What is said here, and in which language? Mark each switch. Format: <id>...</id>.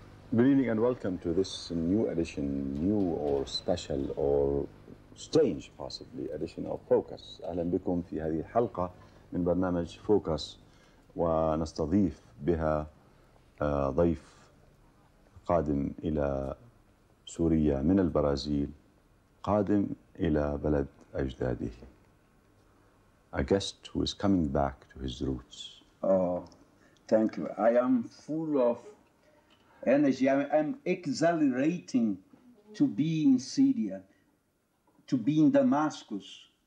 <en>Good evening and welcome to this new edition, new or special or strange possibly edition of Focus.</en> <ar>أهلا بكم في هذه الحلقة من برنامج Focus ونستضيف بها ضيف قادم إلى سوريا من البرازيل قادم إلى بلد أجداده.</ar> <en>A guest who is coming back to his roots. Oh, thank you. I am full of energy. I'm exhilarating to be in Syria, to be in Damascus.</en>